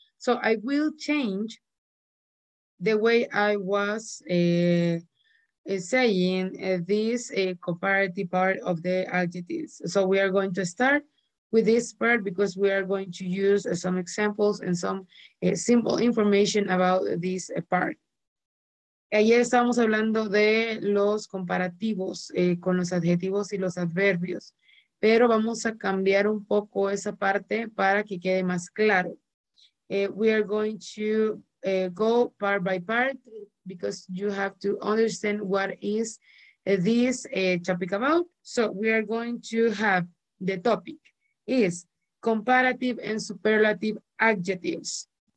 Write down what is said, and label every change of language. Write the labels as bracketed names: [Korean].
[English] So I will change the way I was saying this comparative part of the adjectives. So we are going to start with this part, because we are going to use some examples and some simple information about this part. [Spanish] Ayer estábamos hablando de los comparativos con los adjetivos y los adverbios, pero vamos a cambiar un poco esa parte para que quede más claro. [English] We are going to go part by part, because you have to understand what is this topic about. So we are going to have the topic is comparative and superlative adjectives.